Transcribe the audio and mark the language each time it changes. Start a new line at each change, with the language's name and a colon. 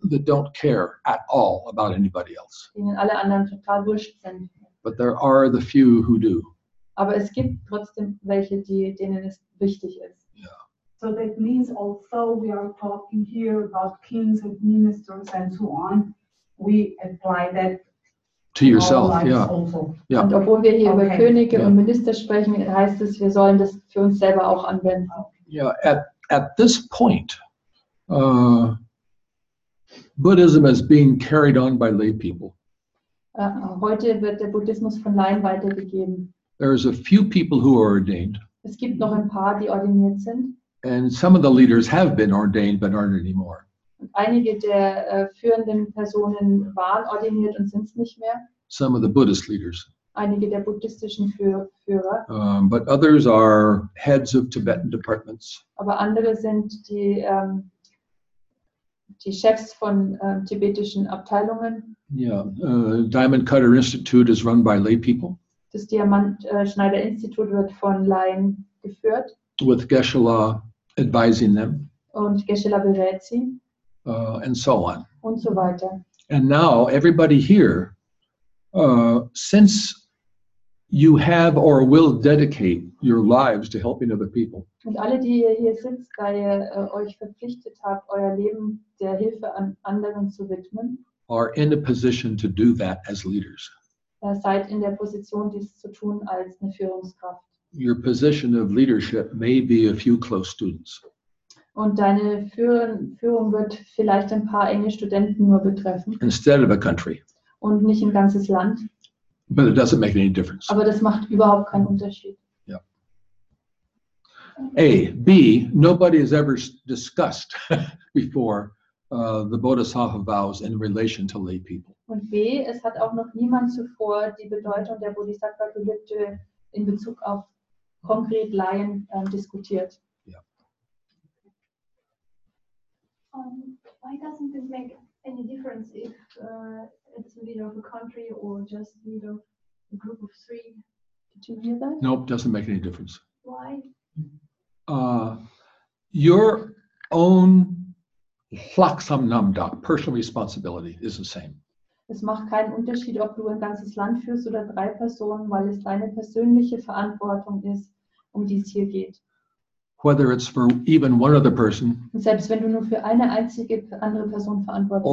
English: That don't care at all about anybody else.
German: Denen alle anderen total wurscht sind.
English: But there are the few who do.
German: Aber es gibt trotzdem welche, denen es wichtig ist.
English: So that means, although we are talking here about kings and ministers and so on, we apply that to yourself.
German: Also. Und obwohl wir hier über Könige und Minister sprechen, heißt es, wir sollen das für uns selber auch anwenden.
English: At this point, Buddhism is being carried on by lay people.
German: Heute wird der Buddhismus von Laien weitergegeben.
English: There is a few people who are ordained.
German: Es gibt noch ein paar, die ordiniert sind.
English: And some of the leaders have been ordained, but aren't anymore.
German: Einige der führenden Personen waren ordiniert und sind es nicht mehr.
English: Some of the Buddhist leaders.
German: einige der buddhistischen Führer.
English: But others are heads of Tibetan departments.
German: Aber andere sind die die Chefs von tibetischen Abteilungen.
English: Yeah, Diamond Cutter Institute is run by lay people.
German: Das Diamantschneider-Institut wird von Laien geführt.
English: With Geshe La advising them.
German: Und Geshe La berät sie.
English: And so on.
German: Und so weiter.
English: And now everybody here, since you have or will dedicate your lives to helping other people.
German: Und alle, die ihr hier sitzt, da ihr euch verpflichtet habt, euer Leben der Hilfe an anderen zu widmen,
English: are in a position to do that as leaders.
German: Seid in der Position, dies zu tun als eine Führungskraft.
English: Your position of leadership may be a few close students.
German: Und deine Führung wird vielleicht ein paar enge Studenten nur betreffen.
English: Instead of a country.
German: Und nicht ein ganzes Land.
English: But it doesn't make any difference.
German: Aber das macht überhaupt keinen Unterschied.
English: Yeah. A. B. Nobody has ever discussed before the Bodhisattva vows in relation to lay people.
German: Und B. Es hat auch noch niemand zuvor die Bedeutung der Bodhisattva-Gelübde in Bezug auf konkret Laien diskutiert.
English: Yeah. Why doesn't it make any difference if it's a leader of a country or just a leader of a group of three? Did you hear that? Nope, doesn't make any difference. Why? Your own Laksamnamda, personal responsibility, is the same.
German: Es macht keinen Unterschied, ob du ein ganzes Land führst oder drei Personen, weil es deine persönliche Verantwortung ist, um die es hier geht.
English: Whether it's for even one other person,
German: und selbst wenn du nur für eine einzige andere Person verantwortlich